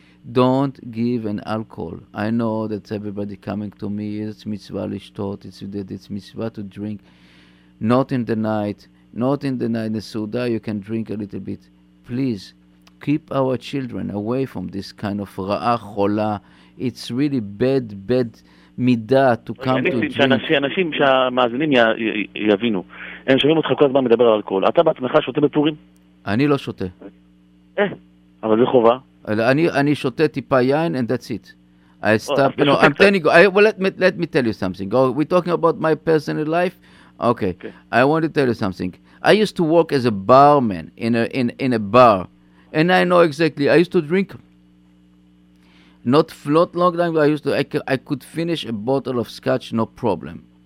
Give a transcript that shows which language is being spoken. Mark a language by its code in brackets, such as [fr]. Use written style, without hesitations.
[en] Don't give an alcohol. I know that everybody coming to me, it's mitzvah lishtot, it's mitzvah to drink. Not in the night, not in the night, the soda, you can drink a little bit. Please, keep our children away from this kind of [he] ra'ah chola. [en] It's really bad, bad midah to come to drink. [he] שאנשים שהמאזינים יבינו. הם שומעים אותך כל הזמן מדבר על אלכוהול. אתה בעצמך שותה בפורים? אני לא שותה. אבל זה חובה. אני שותה טיפה יין, [en] and that's it. I stop, you know, I'm telling you, well, let me tell you something. We're talking about my personal life? Okay. I want to tell you something. I used to work as a barman in a bar, and I know exactly, I used to drink, not long time, but I could finish a bottle of scotch, no problem.